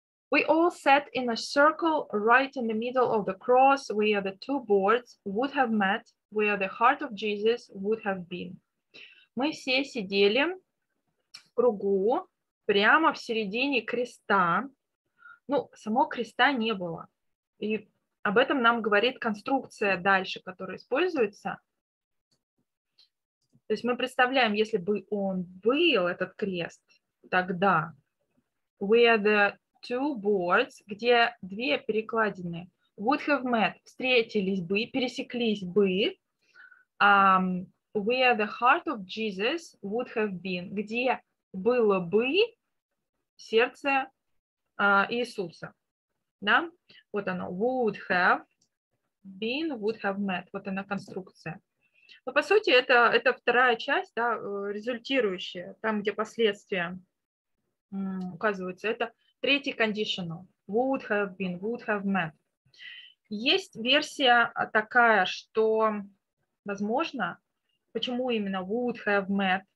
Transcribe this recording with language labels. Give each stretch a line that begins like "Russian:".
English: We all sat in a circle right in the middle of the cross where the two boards would have met, where the heart of Jesus would have been.
Russian: Мы все сидели в кругу, прямо в середине креста. Ну, самого креста не было. И об этом нам говорит конструкция дальше, которая используется. То есть мы представляем, если бы он был, этот крест, тогда,
English: where the two boards,
Russian: где две перекладины,
English: would have met,
Russian: встретились бы, пересеклись бы,
English: where the heart of Jesus would have been,
Russian: где было бы сердце Иисуса. Да? Вот оно,
English: would have been, would have met.
Russian: Вот она конструкция. Но по сути, это вторая часть, да, результирующая, там, где последствия указываются. Это третий
English: conditional. Would have been, would have met.
Russian: Есть версия такая, что, возможно, почему именно would have met?